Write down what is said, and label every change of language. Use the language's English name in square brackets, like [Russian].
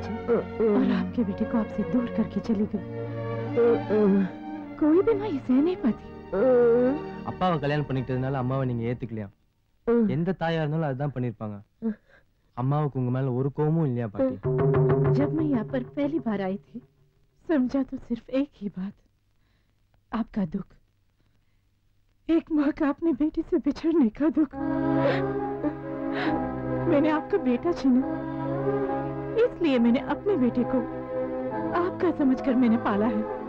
[Hindi] बेटे को आपसे दूर करके चली गई। कोई भी मां इसे नहीं पाती। [Tamil] அப்பாவ கல்யாணம் பண்ணிட்டதனால அம்மாவை நீங்க ஏத்துக்கலையா? எந்த தாயா இருந்தாலும் அதான் பண்ணிருப்பாங்க. அம்மாவுக்கு உங்க மேல ஒரு கோபமும் இல்லையா பாட்டி? [Hindi] जब मैं यहां पर पहली बार आई थी समझा तो सिर्फ एक ही बात, आपका दुख, एक मां का अपने बेटे से बिछड़ने का दुख। मैंने आपका बेटा छीना, इसलिए मैंने अपने बेटे को आपका समझकर मैंने पाला है।